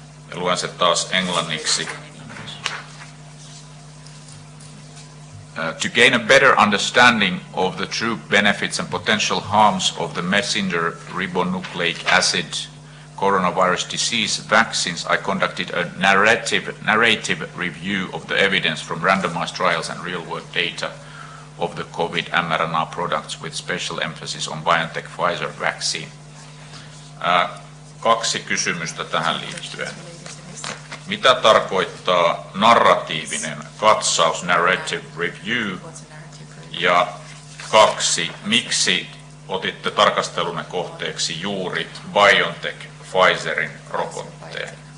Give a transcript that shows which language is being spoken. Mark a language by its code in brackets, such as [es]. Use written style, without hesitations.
[fi] Ja luen se taas englanniksi. [en] To gain a better understanding of the true benefits and potential harms of the messenger ribonucleic acid coronavirus disease vaccines, I conducted a narrative review of the evidence from randomized trials and real-world data of the COVID mRNA products with special emphasis on BioNTech Pfizer vaccine. [fi] Kaksi kysymystä tähän liittyen. Mitä tarkoittaa narratiivinen katsaus, [en] narrative review? [fi] Ja kaksi, miksi otitte tarkastelunne kohteeksi juuri BioNTech Pfizerin rokotteen?